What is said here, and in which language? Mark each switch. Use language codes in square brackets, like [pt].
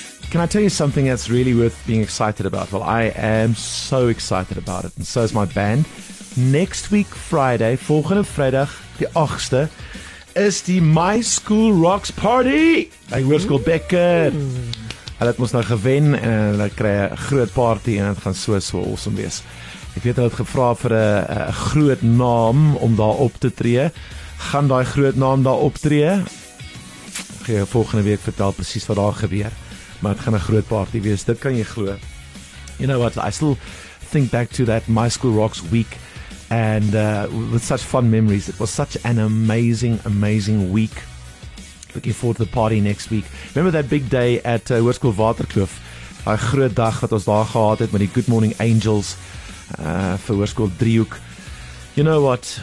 [en] Can I tell you something that's really worth being excited about? Well, I am so excited about it, and so is my band. Next week, Friday, [af] volgende Vrijdag, [en] the 8th, is the My School Rocks Party. Like, we're school Becker. [af] Hulle het ons nou gewen en hulle kry 'n groot party en dit gaan so so awesome wees. Ek weet hulle het gevra vir 'n groot naam om daar op te tree. Gaan daai groot naam daar optree? Ek gaan volgende week vertel presies wat daar gebeur. Maar dit gaan 'n groot party wees, dit kan jy glo. [en] You know what, I still think back to that My School Rocks week and with such fun memories. It was such an amazing week. Looking forward to the party next week. Remember that big day at Hoërskool Waterkloof? [af] A groot dag wat ons daar gehad het met die Good Morning Angels for Hoërskool Driehoek. [en] You know what?